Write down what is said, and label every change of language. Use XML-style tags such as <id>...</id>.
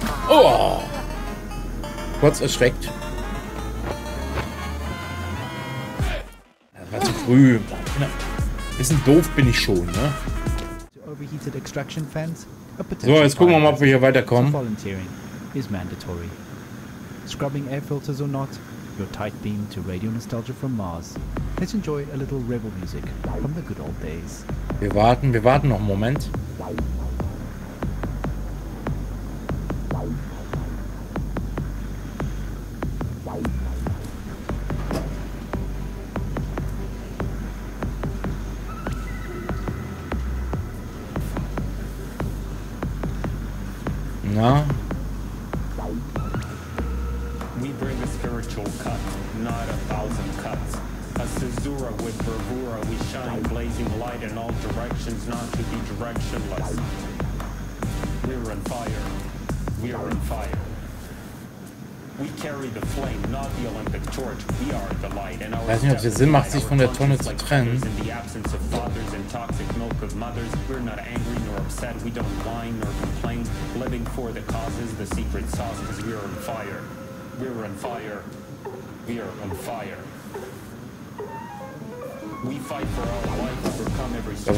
<de>Oh! Kurz erschreckt. War zu früh. Bisschen doof bin ich schon, ne?</de> <en>Overheated extraction fans, a potential.</en> <de>So, jetzt gucken wir mal, ob wir hier weiterkommen.</de> <en>Volunteering is mandatory. Scrubbing air filters or not, your tight beam to radio nostalgia from Mars. Let's enjoy a little rebel music from the good old days.</en> <de>Wir warten noch einen Moment.</de> <en>We bring a spiritual cut, not a thousand cuts. A caesura with bravura, we shine blazing light in all directions, not to be directionless. We're on fire. We're on fire. We carry the flame, not the Olympic torch. We are the light.</en> <de>And our weiß nicht, ob es Sinn macht, sich von der Tonne zu trennen.</de> <en>In the absence of fathers and toxic milk of mothers, we're not angry nor upset. We don't whine nor complain. Living for the causes, the secret sauce, because we are on fire. We're on fire. We are on fire. We fight for our life, overcome every struggle.</en>